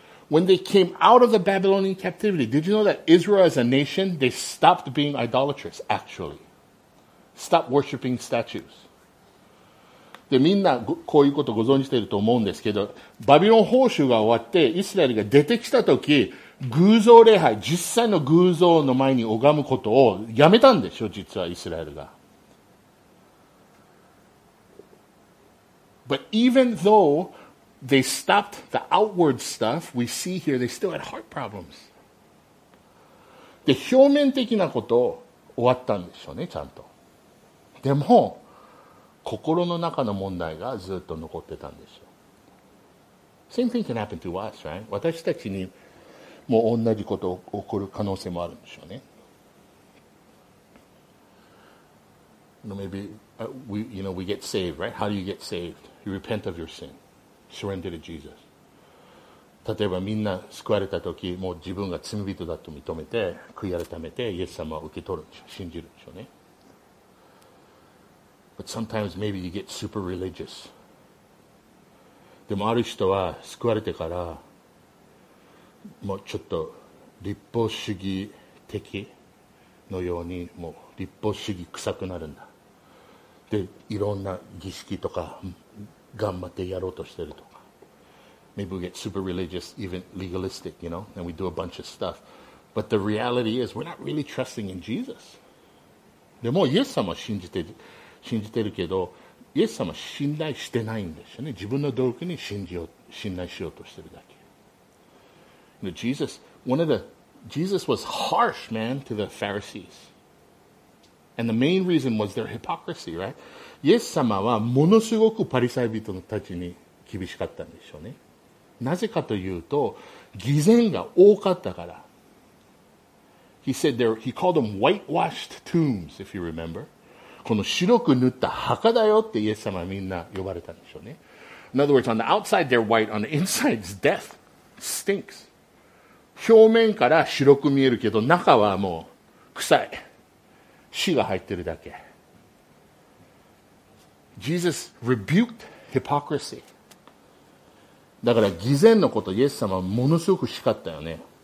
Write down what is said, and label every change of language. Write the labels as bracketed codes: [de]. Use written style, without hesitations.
[en] When they came out of the Babylonian captivity, did you know that Israel as a nation, they stopped being idolatrous, actually. Stopped worshiping statues. [ja] で、みんなこういうことご存じていると思うんですけど、バビロン報酬が終わって、イスラエルが出てきたとき、偶像礼拝、実際の偶像の前に拝むことをやめたんでしょ、実はイスラエルが。 [en] But even though they stopped the outward stuff, we see here they still had heart problems. [ja] で、表面的なことを終わったんでしょうね、ちゃんと。でも、心の中の問題がずっと残ってたんですよ。 [en] Same thing can happen to us, right? [ja] 私たちにも同じこと起こる可能性もあるんでしょうね。 [en] Maybe we get saved, right? How do you get saved? You repent of your sin. Surrender to Jesus. [ja] 例えばみんな救われた時、もう自分が罪人だと認めて、悔い改めて、イエス様を受け取るんでしょう。信じるんでしょうね。 [en] But sometimes maybe you get super religious. [ja] でもある人は救われてからもうちょっと立法主義的のようにもう立法主義臭くなるんだ。で、いろんな儀式とか頑張ってやろうとしてるとか。 [en] Maybe we get super religious, even legalistic, you know, and we do a bunch of stuff. But the reality is we're not really trusting in Jesus. [ja] でもイエス様を信じて信じてるけど、イエス様は信頼してないんですよね。自分の道具に信頼しようとしてるだけ。 [en] You know, Jesus, one of the, Jesus was harsh, man, to the Pharisees. And the main reason was their hypocrisy, right? [ja] イエス様はものすごくパリサイ人たちに厳しかったんでしょうね。なぜかというと、偽善が多かったから。 [en] He said there, he called them whitewashed tombs, if you remember. [ja] この白く塗った墓だよってイエス様はみんな呼ばれたんでしょうね。 [en] In other words, on the outside they're white, on the inside it's death. Stinks. [ja] 表面から白く見えるけど中はもう臭い。死が入ってるだけ。 [en] Jesus rebuked hypocrisy. [ja] だから偽善のことイエス様はものすごく叱ったよね。